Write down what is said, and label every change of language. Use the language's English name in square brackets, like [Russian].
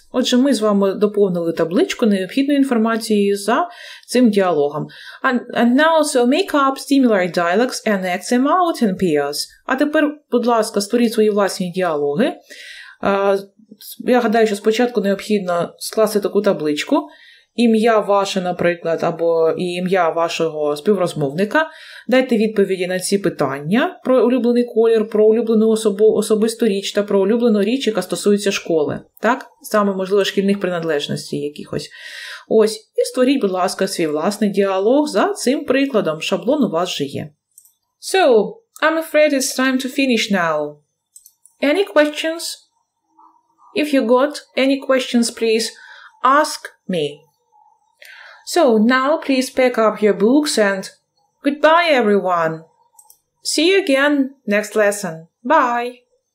[Ukrainian] Отже, ми з вами доповнили табличку необхідною інформацією за цим діалогом. [English] And now, so make up similar dialogues and act them out in pairs. [Ukrainian] А тепер, будь ласка, створіть свої власні діалоги. Я гадаю, що спочатку необхідно скласти таку табличку. Ім'я ваше, наприклад, або ім'я вашого співрозмовника. Дайте відповіді на ці питання про улюблений колір, про улюблену особисту річ та про улюблену річ, яка стосується школи. Так? Саме, можливо, шкільних приналежностей якихось. Ось. І створіть, будь ласка, свій власний діалог за цим прикладом. Шаблон у вас же є. [English] So, I'm afraid it's time to finish now. Any questions? If you got any questions, please ask me. So, now please pack up your books and goodbye, everyone. See you again next lesson. Bye.